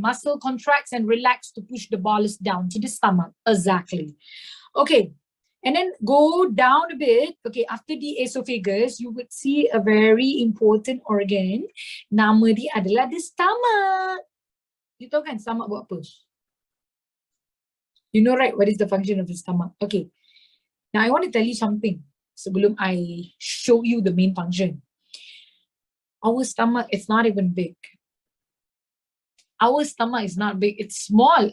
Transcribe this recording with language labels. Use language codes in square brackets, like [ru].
[en] Muscle contracts and relax to push the bolus down to the stomach. Exactly. Okay. And then go down a bit. Okay, after the esophagus, you would see a very important organ. [ms] Nama dia adalah the stomach. You tahu kan stomach buat apa? [en] You know right, what is the function of the stomach? Okay. Now I want to tell you something sebelum I show you the main function. Our stomach is not even big. Our stomach is not big, it's small.